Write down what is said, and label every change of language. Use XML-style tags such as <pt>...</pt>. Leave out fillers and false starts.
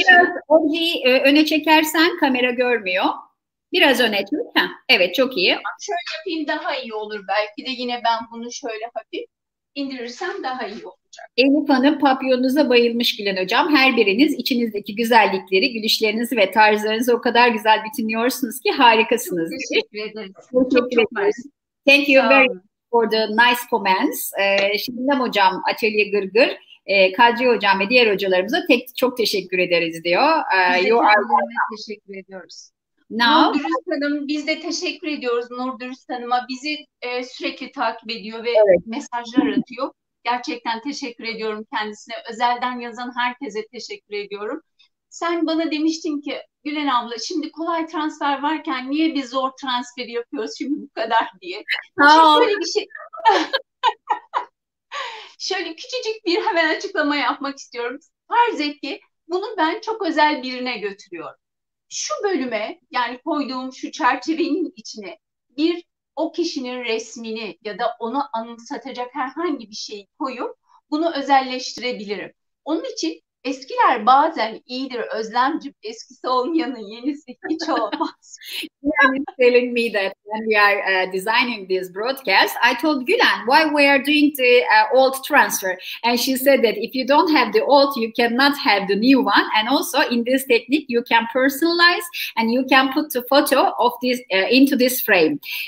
<tr>Biraz objeyi öne çekersen kamera görmüyor. Biraz öne çek. Evet çok iyi. Şöyle yapayım daha iyi olur belki de. Yine ben bunu şöyle hafif indirirsem daha iyi olur. Elif Hanım, papyonunuza bayılmış Gülen Hocam. Her biriniz içinizdeki güzellikleri, gülüşlerinizi ve tarzlarınızı o kadar güzel bütünlüyorsunuz ki harikasınız. Çok teşekkür ederim. Çok teşekkür ederim.</tr> <en>Thank you very much for the nice comments.</en> <tr>Şimdiden Hocam, Atölye Gırgır, Kadri Hocam ve diğer hocalarımıza çok teşekkür ederiz diyor. Teşekkür ediyoruz. Nur Dürüst Hanım, biz de teşekkür ediyoruz Nur Dürüst Hanım'a. Bizi sürekli takip ediyor ve evet. Mesajlar atıyor. Gerçekten teşekkür ediyorum kendisine. Özelden yazan herkese teşekkür ediyorum. Sen bana demiştin ki Gülen abla, şimdi kolay transfer varken niye bir zor transferi yapıyoruz şimdi bu kadar diye. Şöyle bir şey. Şöyle küçücük bir hemen açıklama yapmak istiyorum. Farz et ki bunu ben çok özel birine götürüyorum. Şu bölüme, yani koyduğum şu çerçevenin içine bir o kişinin resmini ya da onu anımsatacak herhangi bir şeyi koyup bunu özelleştirebilirim. Onun için eskiler bazen iyidir Özlemcim, eskisi olmayanın yenisi hiç olmaz.</tr> <en>Gülen is telling me that when we are designing this broadcast, I told Gülen why we are doing the old transfer. And she said that if you don't have the old, you cannot have the new one. And also in this technique, you can personalize and you can put the photo of this into this frame.</en>